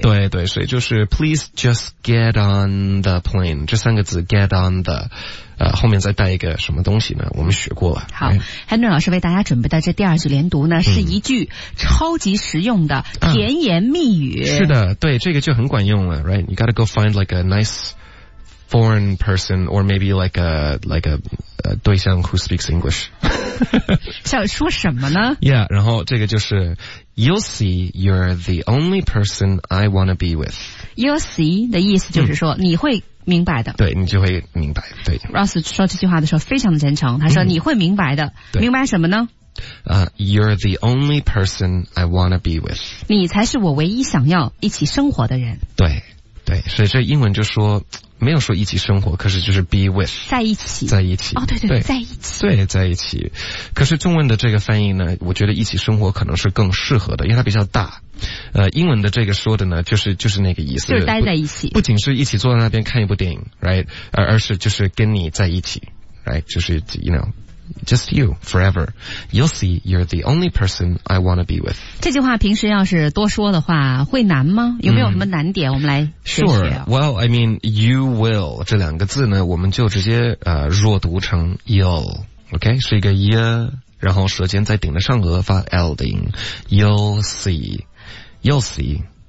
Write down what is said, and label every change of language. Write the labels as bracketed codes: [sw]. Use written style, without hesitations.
[zh] 对，所以就是 [en] please just get on the plane [zh] 这三个字 [en] get on the。 [zh] 后面再带一个什么东西呢？我们学过了。好 ，Henry 老师为大家准备的这第二句连读呢，是一句超级实用的甜言蜜语。是的，对，这个就很管用了 ，right? [en] You gotta go find like a nice foreign person, or maybe like a 对象 who speaks English. [zh] 想说什么呢 [en] ？Yeah， [zh] 然后这个就是 [en] ，You'll see, you're the only person I wanna be with. You'll see [zh] 的意思就是说你会。明白的，对，你就会明白。对，Ross 说这句话的时候非常的真诚，他说你会明白的，明白什么呢？ [en] You're the only person I wanna be with。 [zh] 你才是我唯一想要一起生活的人。对，所以这英文就说没有说一起生活，可是就是 be with，在一起。哦，对，在一起。对，在一起。可是中文的这个翻译呢，我觉得一起生活可能是更适合的，因为它比较大。英文的这个说的呢，就是那个意思，就是待在一起，不仅是一起坐在那边看一部电影 ，right？ 而是就是跟你在一起 ，right？ [en] 就是 you know， just you forever。 You'll see, you're the only person I wanna be with。 [zh] 这句话平时要是多说的话，会难吗？有没有什么难点？我们来学学。 [en] Sure. Well, I mean, you will [zh] 这两个字呢，我们就直接弱读成 you'll， OK， 是一个 y， 然后舌尖在顶着上颚发 l 的音。 [en] You'll see。You'll see.